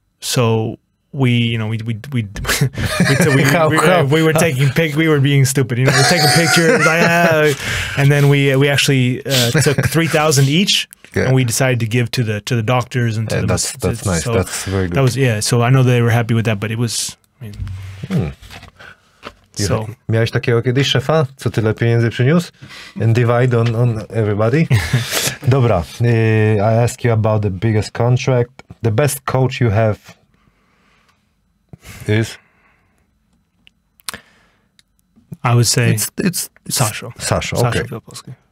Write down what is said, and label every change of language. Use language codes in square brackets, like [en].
[en] So we, you know, we were being stupid. You know, we're taking pictures, and then we actually took 3,000 each, yeah. And we decided to give to the doctors and to the. That's nice. So that's very good. That was So I know they were happy with that, but it was. [pl] So, miałeś takiego kiedyś szefa, co tyle pieniędzy przyniósł? [en] And divide on everybody. [pl] Dobra, [en] I ask you about the biggest contract. The best coach you have is? I would say it's Sasha. Sasha, okay. Sasha Filipowski.